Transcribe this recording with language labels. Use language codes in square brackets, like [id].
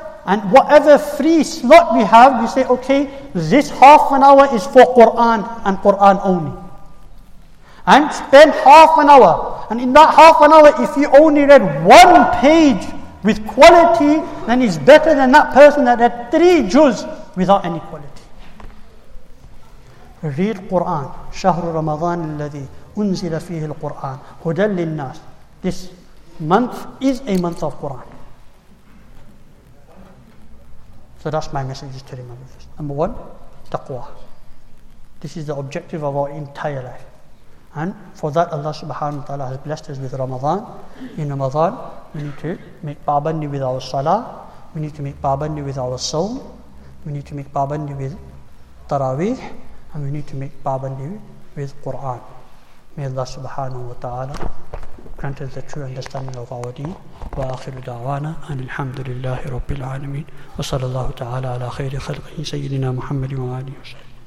[en] And whatever free slot we have, we say, okay, this half an hour is for Quran and Quran only. And spend half an hour. And in that half an hour, if you only read one page with quality, then it's better than that person that read three juz without any quality. Read Quran. [ar] شهر رمضان الذي أنزل فيه القرآن هدى للناس. [en] This month is a month of Quran. So that's my message to remember this. Number one, taqwa. This is the objective of our entire life. And for that, Allah subhanahu wa ta'ala has blessed us with Ramadan. In Ramadan, we need to make pabandi with our salah. We need to make pabandi with our soul. We need to make pabandi with taraweeh. And we need to make pabandi with Quran. May Allah subhanahu wa ta'ala grant us the true understanding of our deen. [ar] وآخر دعوانا أن الحمد لله رب العالمين وصلى الله تعالى على خير خلقه سيدنا محمد وآله وسلم.